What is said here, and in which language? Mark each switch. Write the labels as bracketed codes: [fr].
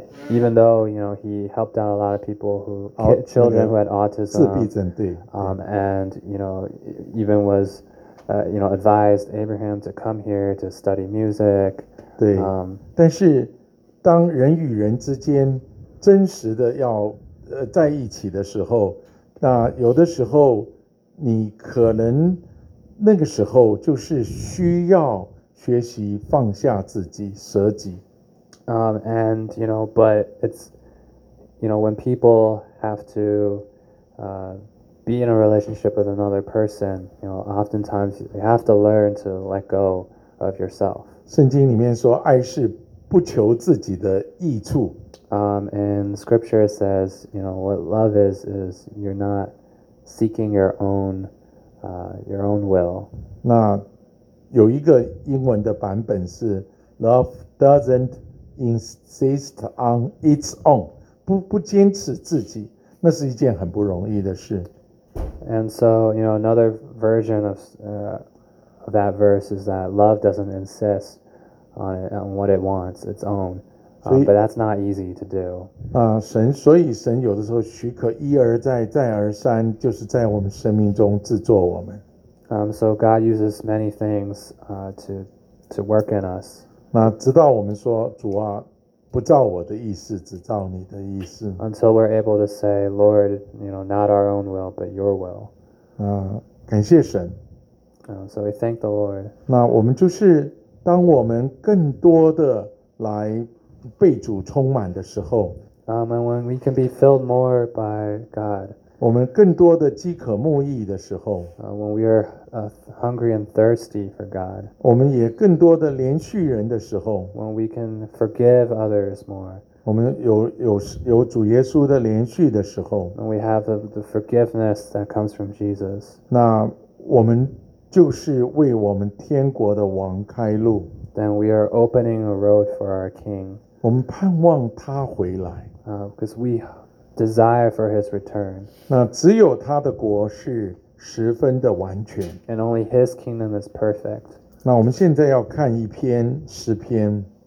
[en] even though, you know, he helped out a lot of people who, children who had autism, [zh] 自闭症,对, [en] and, you know, even was, you know, advised Abraham to come here to study music. [zh] 对, 但是当人与人之间真实的要在一起的时候，那有的时候你可能那个时候就是需要学习放下自己，舍己。 [en] And you know, but it's, you know, when people have to be in a relationship with another person, you know, oftentimes you have to learn to let go of yourself. [zh] 圣经里面说，爱是不求自己的益处。 [en] And scripture says, you know, what love is you're not seeking your own will. [zh] 那有一个英文的版本是 [en] love doesn't insist on its own, [zh] 不坚持自己，那是一件很不容易的事。 [en] And so, you know, another version of that verse is that love doesn't insist on it, on what it wants, its own. But that's not easy to do. [zh] 神，所以神有的时候许可一而再，再而三，就是在我们生命中制作我们。 [en] So God uses many things to work in us. [zh] 那直到我们说，主啊，不照我的意思，只照你的意思。 [en] Until we're able to say, Lord, you know, not our own will, but your will. [zh] 感谢神。 [en] So we thank the Lord. [zh] 那我们就是当我们更多的来被主充满的时候， [en] And when we can be filled more by God, [zh] 我们更多的饥渴慕义的时候， [en] When we are hungry and thirsty for God, [zh] 我们也更多的怜恤人的时候， [en] When we can forgive others more, [zh] 我们有主耶稣的怜恤的时候， [en] When we have the forgiveness that comes from Jesus, [zh] 那我们就是为我们天国的王开路。 [en] Then we are opening a road for our King. [zh] 我们盼望他回来。 [en] Because we desire for his return. [zh] 那只有他的国是十分的完全。 [en] And only his kingdom is perfect. [zh] 那我们现在要看一篇诗篇。